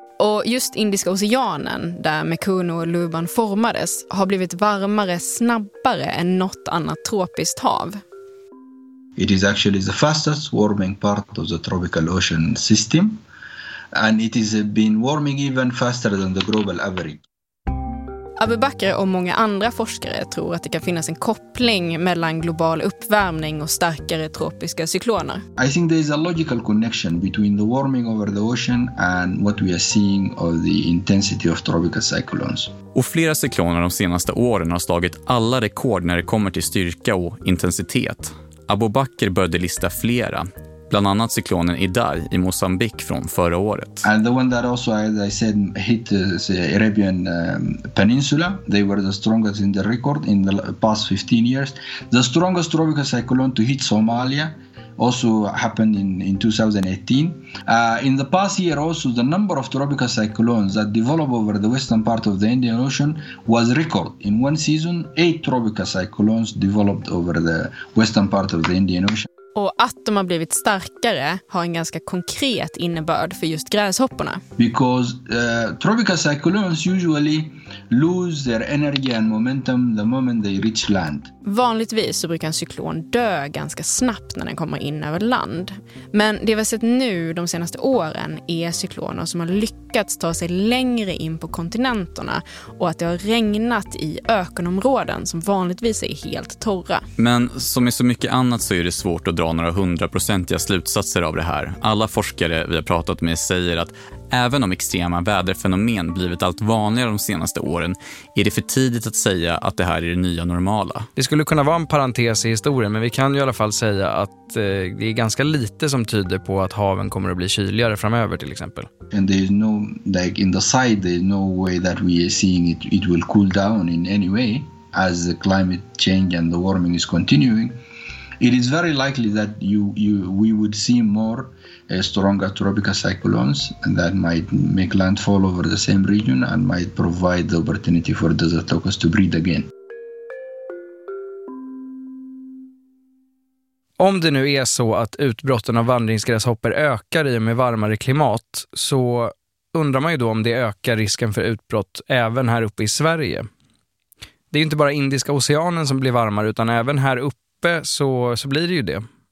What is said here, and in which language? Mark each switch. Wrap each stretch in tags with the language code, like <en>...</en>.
<sv>Och just Indiska oceanen där Mekunu och Luban formades har blivit varmare snabbare än något annat tropiskt hav.</sv> <en>It is actually the fastest warming part of the tropical ocean system, and it has been warming even faster than the global average.</en> <sv>Abubakr och många andra forskare tror att det kan finnas en koppling mellan global uppvärmning och starkare tropiska cykloner.</sv> <en>I think there is a logical connection between the warming over the ocean and what we are seeing of the intensity of tropical cyclones.</en> <sv>Och flera cykloner de senaste åren har slagit alla rekord när det kommer till styrka och intensitet. Abubakr började lista flera. Bland annat cyklonen Idai i Mozambik från förra året.</sv> <en>And the one that also, as I said, hit the Arabian Peninsula. They were the strongest in the record in the past 15 years. The strongest tropical cyclone to hit Somalia also happened in 2018. In the past year also, the number of tropical cyclones that developed over the western part of the Indian Ocean was record. In one season, 8 tropical cyclones developed over the western part of the Indian Ocean.</en> <sv>Och att de har blivit starkare har en ganska konkret innebörd för just gräshopporna.</sv> <en>Because tropical cyclones usually lose their energy and momentum the moment they reach land.</en> <sv>Vanligtvis så brukar en cyklon dö ganska snabbt när den kommer in över land. Men det vi har sett nu de senaste åren är cykloner som har lyckats ta sig längre in på kontinenterna och att det har regnat i ökenområden som vanligtvis är helt torra. Men som i så mycket annat så är det svårt att dra några hundraprocentiga slutsatser av det här. Alla forskare vi har pratat med säger att även om extrema väderfenomen blivit allt vanligare de senaste åren är det för tidigt att säga att det här är det nya normala. Det skulle kunna vara en parentes i historien, men vi kan i alla fall säga att det är ganska lite som tyder på att haven kommer att bli kyligare framöver till exempel.</sv> <en>And there is no, like in the side, there is no way that we are seeing it will cool down in any way as the climate change and the warming is continuing. It is very likely that we would see more stronger tropical cyclones and that might make landfall over the same region and might provide the opportunity for desert locusts to breed again.</en> <sv>Om det nu är så att utbrotten av vandringsgräshoppor ökar i och med varmare klimat, så undrar man ju då om det ökar risken för utbrott även här uppe i Sverige. Det är ju inte bara Indiska oceanen som blir varmare, utan även här uppe Så blir det ju det.</sv>